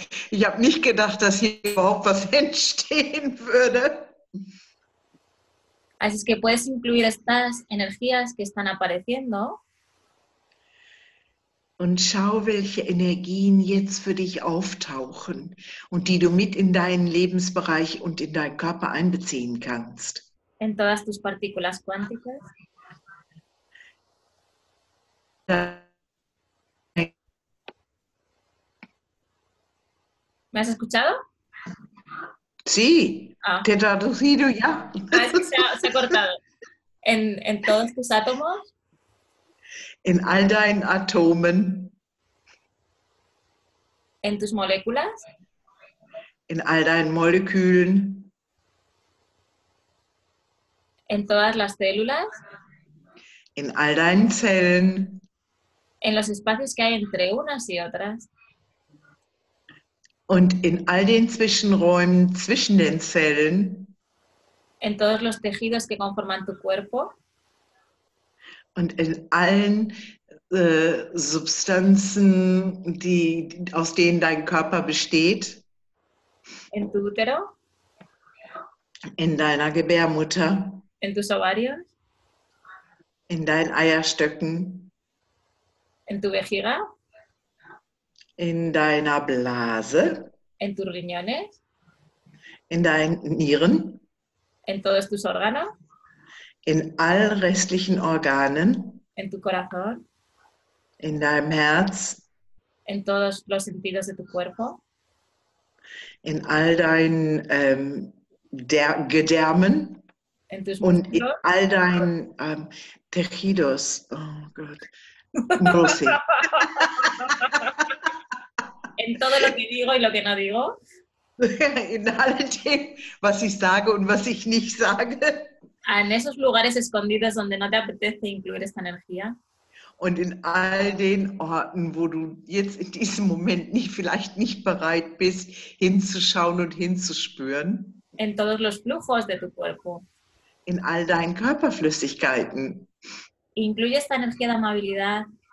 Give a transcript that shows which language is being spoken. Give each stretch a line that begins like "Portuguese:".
German: Ich habe nicht gedacht, dass hier überhaupt was entstehen würde.
Spanish: Así es que puedes incluir estas energías que están apareciendo.
German: Und schau, welche Energien jetzt für dich auftauchen und die du mit in deinen Lebensbereich und in deinen Körper einbeziehen kannst.
Spanish: En todas tus partículas cuánticas. ¿Me has escuchado? Sí, te he traducido ya. Se ha cortado. En todos tus átomos.
German: In all deinen Atomen.
Spanish: En tus moléculas.
German: In all deinen Molekülen.
Spanish: En todas las células.
German: In all deinen Zellen.
Spanish: En los espacios que hay entre unas y otras.
German: Und in all den Zwischenräumen zwischen den Zellen.
Spanish: En todos los tejidos que conforman tu cuerpo.
German: Und in allen Substanzen, aus denen dein Körper besteht.
Spanish: En tu útero.
German: In deiner Gebärmutter.
Spanish: En tus ovarios.
German: In deinen Eierstöcken.
Spanish: En tu vejiga.
German: In deiner Blase.
Spanish: En tus riñones.
German: In deinen Nieren.
Spanish: En todos tus órganos.
German: In allen restlichen Organen,
Spanish: en tu corazón,
German: in deinem Herz,
Spanish: en todos los sentidos de tu cuerpo,
German: in all deinen Gedärmen,
Spanish: en tus
German: und in all deinen Tejidos. Oh Gott. Grossi.
Spanish: En todo lo que digo y lo que no digo.
German: In all dem, was ich sage und was ich nicht sage.
Spanish: En esos lugares escondidos donde no te apetece incluir esta energía.
German: Und in all den Orten, wo du jetzt in diesem Moment nicht, vielleicht nicht bereit bist, hinzuschauen und hinzuspüren.
Spanish: En todos los flujos de tu cuerpo.
German: In all deinen Körperflüssigkeiten.
Spanish: Incluye esta energía de amabilidad.